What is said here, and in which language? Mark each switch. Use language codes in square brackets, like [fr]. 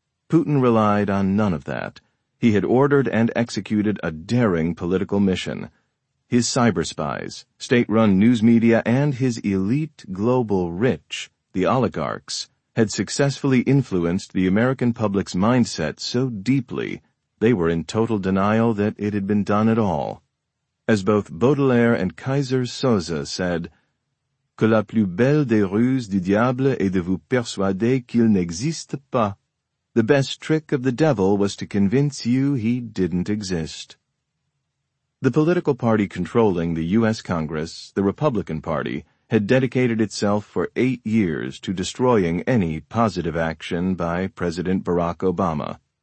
[en] Putin relied on none of that. He had ordered and executed a daring political mission. His cyber spies, state-run news media, and his elite global rich, the oligarchs, had successfully influenced the American public's mindset so deeply they were in total denial that it had been done at all. As both Baudelaire and Kaiser Soze said, [fr] que la plus belle des ruses du diable est de vous persuader qu'il n'existe pas. [en] The best trick of the devil was to convince you he didn't exist. The political party controlling the U.S. Congress, the Republican Party, had dedicated itself for 8 years to destroying any positive action by President Barack Obama.